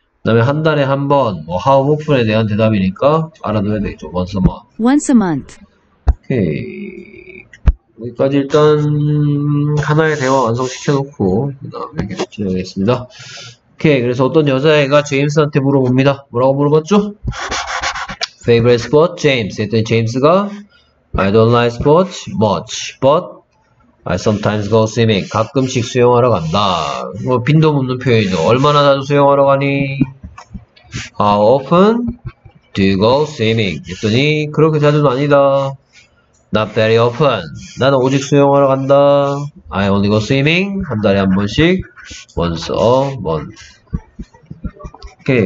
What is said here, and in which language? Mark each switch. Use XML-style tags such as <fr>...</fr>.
<ko>그다음에 한 달에 한 번, 뭐 how often에 대한 대답이니까 알아둬야 되겠죠.</ko> <en>Once a month. Once a month.</en> <ko>오케이. 여기까지 일단 하나의 대화 완성시켜 놓고 그다음에 계속 진행하겠습니다. 오케이, 그래서 어떤 여자애가 제임스한테 물어봅니다. 뭐라고 물어봤죠?</ko> <en>Favorite sport,</en> <ko>James. 했더니 제임스가</ko> <en>I don't like sports much, but I sometimes go swimming.</en> <ko>가끔씩 수영하러 간다. 뭐 빈도 묻는 표현이죠. 얼마나 자주 수영하러 가니?</ko> <en>How often do you go swimming?</en> <ko>했더니 그렇게 자주는 아니다.</ko> <en>Not very often.</en> <ko>나는 오직 수영하러 간다.</ko> <en>I only go swimming.</en> <ko>한 달에 한 번씩.</ko> <en>Once a month. 오케이.</en>